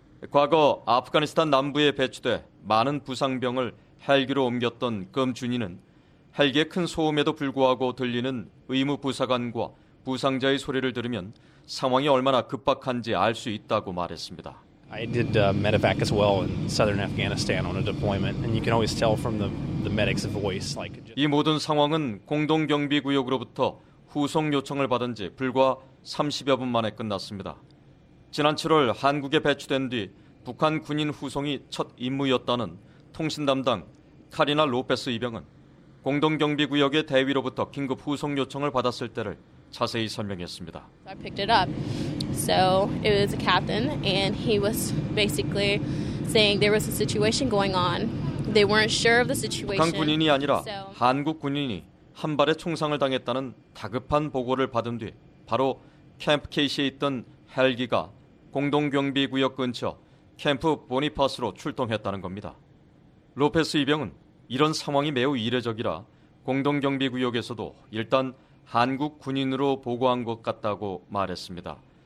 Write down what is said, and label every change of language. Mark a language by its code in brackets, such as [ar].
[ko] 과거 아프가니스탄 남부에 배치돼 많은 부상병을 헬기로 옮겼던 검준이는 헬기의 큰 소음에도 불구하고 들리는 의무 부사관과 부상자의 소리를 들으면 상황이 얼마나 급박한지 알 수 있다고 말했습니다. [en] I did medevac as well in southern Afghanistan on a deployment, and you can always tell from the medic's voice. Like [ko] 이 모든 상황은 공동 경비 구역으로부터 후송 요청을 받은 지 불과 30여 분 만에 끝났습니다. 지난 7월 한국에 배치된 뒤 북한 군인 후송이 첫 임무였다는 통신 담당 카리나 로페스 이병은 공동 경비 구역의 대위로부터 긴급 후송 요청을 받았을 때를 자세히 설명했습니다. [en] I picked it up. So it was a captain, and he was basically saying there was a situation going on. They weren't sure of the situation. [ko] 북한 군인이 아니라 한국 군인이 한 발에 총상을 당했다는 다급한 보고를 받은 뒤 바로 캠프 케이시에 있던 헬기가 공동경비구역 근처 캠프 보니파스로 출동했다는 겁니다. 로페스 이병은 이런 상황이 매우 이례적이라 공동경비구역에서도 일단 한국 군인으로 보고한 것 같다고 말했습니다.